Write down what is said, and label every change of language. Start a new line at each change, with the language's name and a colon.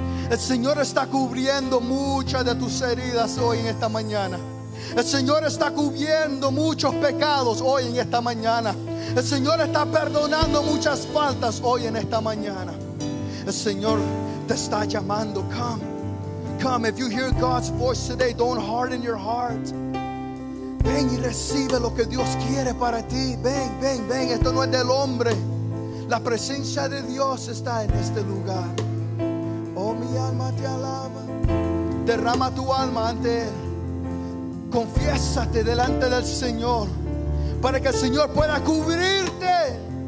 Spanish: El Señor está cubriendo muchas de tus heridas hoy en esta mañana. El Señor está cubriendo muchos pecados hoy en esta mañana. El Señor está perdonando muchas faltas hoy en esta mañana. El Señor te está llamando.
English: Come. If you hear God's voice today, don't harden your heart.
Spanish: Ven y recibe lo que Dios quiere para ti. Ven. Esto no es del hombre. La presencia de Dios está en este lugar. Oh, mi alma te alaba. Derrama tu alma ante Él. Confiésate delante del Señor, para que el Señor pueda cubrirte.